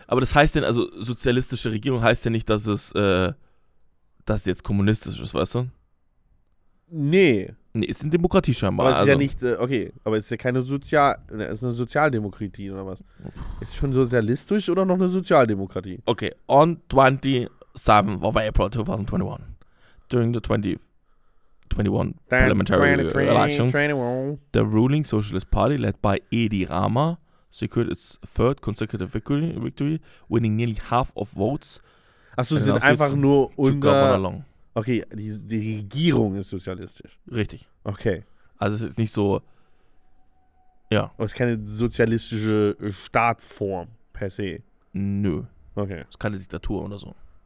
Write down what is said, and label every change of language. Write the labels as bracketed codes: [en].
[de] Aber das heißt denn, also sozialistische Regierung heißt ja nicht, dass es jetzt kommunistisch ist, weißt du? Nee, ist eine Demokratie scheinbar. Aber es ist ja nicht, okay, aber es ist ja keine Sozial... Es ist eine Sozialdemokratie oder was? Ist es schon sozialistisch oder noch eine Sozialdemokratie? [en] Okay, on 27 of April 2021, during the 2021 parliamentary elections, the ruling Socialist Party, led by Edi Rama, secured its third consecutive victory, winning nearly half of votes. [de] Achso, sie sind einfach nur unter... Okay, die Regierung ist sozialistisch. Richtig. Okay. Also es ist nicht so... Ja. Es ist keine sozialistische Staatsform per se. Nö. Okay. Es ist keine Diktatur oder so.